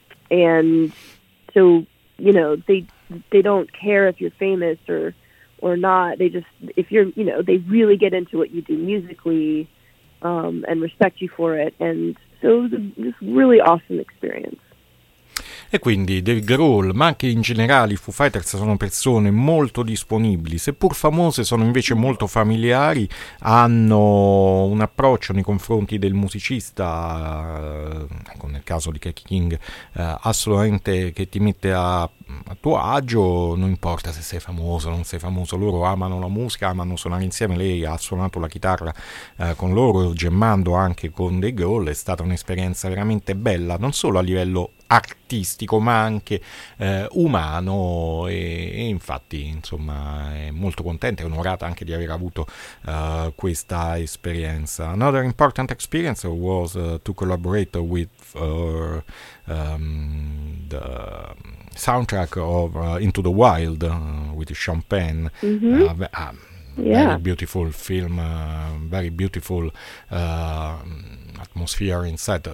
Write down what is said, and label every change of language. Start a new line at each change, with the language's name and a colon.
English: And so, you know, they don't care if you're famous or not. They just, if you're, you know, they really get into what you do musically, and respect you for it, and so it was a really awesome experience.
Italian: E quindi Dave Grohl, ma anche in generale i Foo Fighters, sono persone molto disponibili, seppur famose sono invece molto familiari, hanno un approccio nei confronti del musicista, ecco, nel caso di Kaki King, assolutamente, che ti mette a tuo agio, non importa se sei famoso o non sei famoso, loro amano la musica, amano suonare insieme. Lei ha suonato la chitarra con loro, gemmando anche con Dave Grohl, è stata un'esperienza veramente bella, non solo a livello artistico ma anche umano, e infatti, insomma, è molto contenta e onorata anche di aver avuto questa esperienza.
English: Another important experience was to collaborate with the soundtrack of Into the Wild with Sean Penn. Yeah. Very beautiful film, very beautiful atmosphere inside.